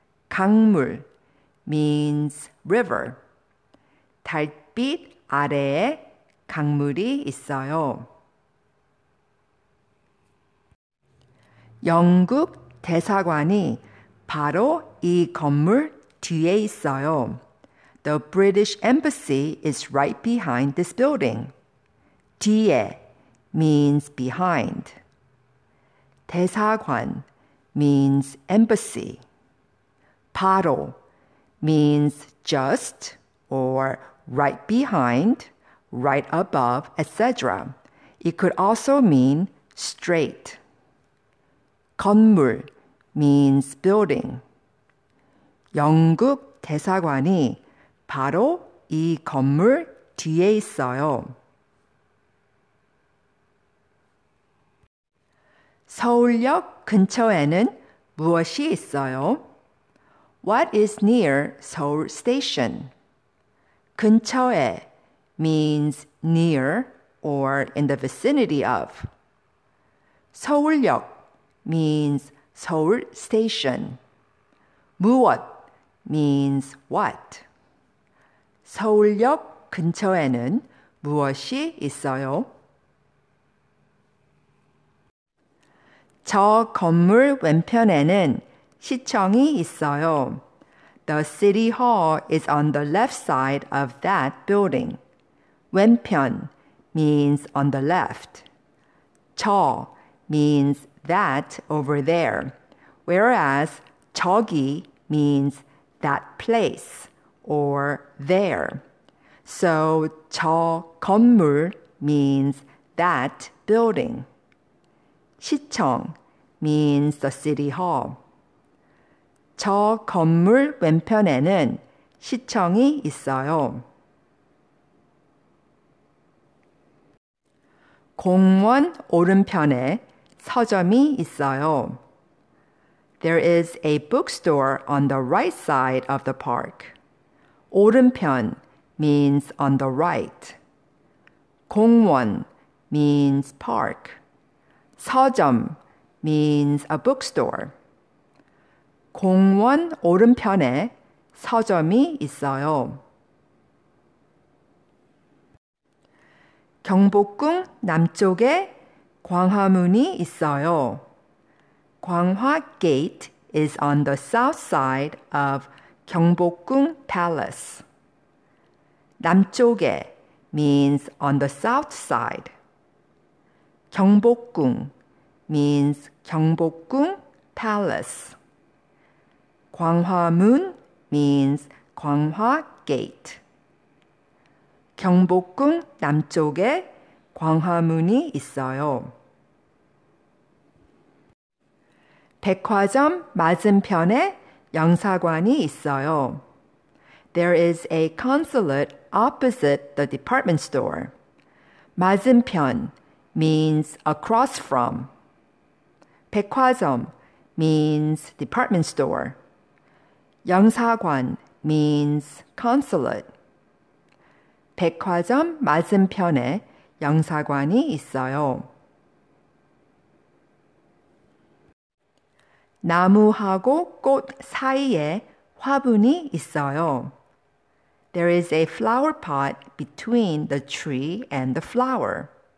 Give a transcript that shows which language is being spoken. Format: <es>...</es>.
<en>강물 means river.</en> <ko>달빛 아래에 강물이 있어요. 영국 대사관이 바로 이 건물 뒤에 있어요.</ko> <en>The British Embassy is right behind this building. 뒤에 means behind. 대사관 means embassy. 바로 means just or right behind, right above, etc. It could also mean straight. 건물 means building.</en> <ko>영국 대사관이 바로 이 건물 뒤에 있어요. 서울역 근처에는 무엇이 있어요?</ko> <en>What is near Seoul Station? 근처에 means near or in the vicinity of. 서울역 means Seoul Station. 무엇 means what?</en> <ko>서울역 근처에는 무엇이 있어요? 저 건물 왼편에는 시청이 있어요.</ko> <en>The city hall is on the left side of that building. 왼편 means on the left. 저 means that over there. Whereas 저기 means that place or there. So 저 건물 means that building. 시청 means the city hall.</en> <ko>저 건물 왼편에는 시청이 있어요. 공원 오른편에 서점이 있어요.</ko> <en>There is a bookstore on the right side of the park. 오른편 means on the right. 공원 means park. 서점 means a bookstore.</en> <ko>공원 오른편에 서점이 있어요. 경복궁 남쪽에 광화문이 있어요.</ko> <en>광화 Gate is on the south side of 경복궁 Palace. 남쪽에 means on the south side. 경복궁 means 경복궁 Palace. 광화문 means 광화 Gate.</en> <ko>경복궁 남쪽에 광화문이 있어요. 백화점 맞은편에 영사관이 있어요.</ko> <en>There is a consulate opposite the department store. 맞은편 means across from. 백화점 means department store. 영사관 means consulate.</en> <ko>백화점 맞은편에 영사관이 있어요. 나무하고 꽃 사이에 화분이 있어요.</ko> <en>There is a flower pot between the tree and the flower.</en>